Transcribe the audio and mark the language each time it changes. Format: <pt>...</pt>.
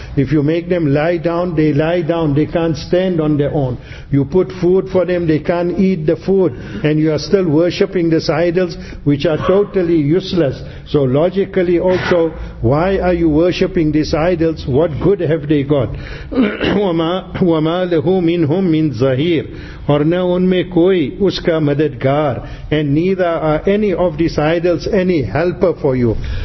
<en>If you make them lie down, they can't stand on their own. You put food for them, they can't eat the food, and you are still worshipping these idols which are totally useless. So logically also, why are you worshipping these idols? What good have they got?</en> <ar>وَمَا لَهُ مِنْهُمْ مِنْ ظَهِيرٍ.</ar> <ur>اور نہ ان میں کوئی اس کا مددگار.</ur> <en>And neither are any of these idols any helper for you.</en>